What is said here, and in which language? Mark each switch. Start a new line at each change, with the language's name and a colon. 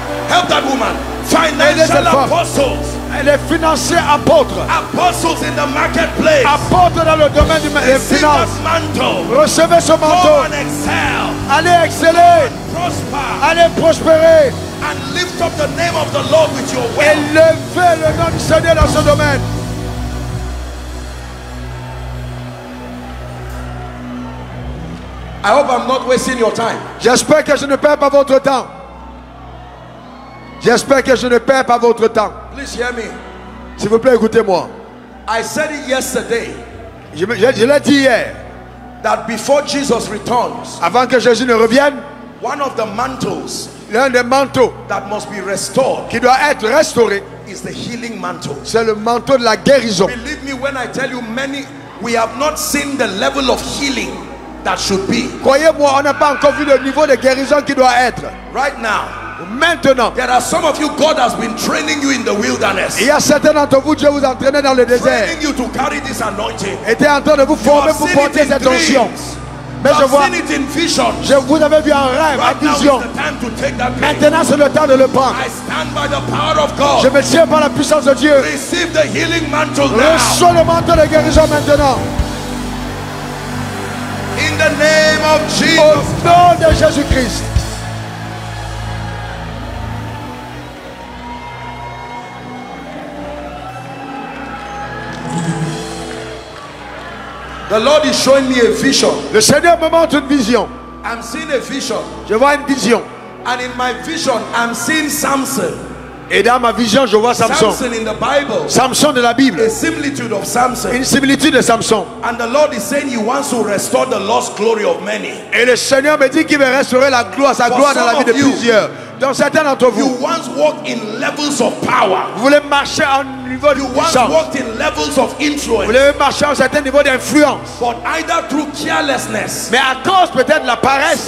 English: Help that woman. Financial apostles.
French: Les financiers apôtres.
English: Apostles in the marketplace.
French: Apôtres dans le domaine du marché.
English: Receive
French: finances.
English: That mantle.
French: Recevez ce manteau.
English: Go and excel.
French: Allez exceller.
English: Go and prosper.
French: Allez prospérer.
English: And lift up the name of the Lord with your wealth.
French: Élevez le nom du Seigneur dans ce domaine.
English: I hope I'm not wasting your time.
French: J'espère que je ne perds pas votre temps. J'espère que je ne perds pas votre temps.
English: Please hear me.
French: S'il vous plaît, écoutez-moi.
English: I said it yesterday.
French: Je l'ai dit hier.
English: That before Jesus returns.
French: Avant que Jésus ne revienne.
English: One of the mantles.
French: L'un des manteaux.
English: That must be restored.
French: Qui doit être restauré.
English: Is the healing mantle.
French: C'est le manteau de la guérison.
English: Believe me when I tell you many. We have not seen the level of healing. That should be.
French: Croyez-moi, on n'a pas encore vu le niveau de guérison qui doit être.
English: Right now.
French: Maintenant,
English: there are some of you God has been training you in the wilderness.
French: Il y a certains d'entre vous, Dieu vous entraînait dans le désert.
English: Training you to carry this anointing.
French: Était en train de vous former pour porter cette onction. Mais je vois,
English: seen it in visions.
French: Je vous avais vu en rêve,
English: right
French: en vision.
English: Now is the time to take that.
French: Maintenant, c'est le temps de le prendre.
English: I stand by the power of God.
French: Je me tiens par la puissance de Dieu.
English: Receive the healing mantle
French: now. Reçois le manteau de guérison maintenant.
English: In the name of Jesus.
French: Au nom de Jésus-Christ.
English: The Lord is showing me a vision.
French: Le Seigneur me montre une vision.
English: I'm seeing a vision.
French: Je vois une vision.
English: And in my vision, I'm seeing Samson.
French: Et dans ma vision, je vois Samson.
English: Samson in the Bible.
French: Samson de la Bible.
English: A similitude of Samson.
French: Une similitude de Samson.
English: And the Lord is saying he wants to restore the lost glory of many.
French: Et le Seigneur me dit qu'il veut restaurer la gloire, sa gloire dans la vie de plusieurs. Dans certains d'entre vous,
English: you once walked in levels of power.
French: Vous voulez marcher en niveau
English: you
French: de puissance.
English: Once walked in levels of influence.
French: Vous voulez marcher en certains niveaux d'influence.
English: But either through carelessness,
French: mais à cause peut-être de la paresse,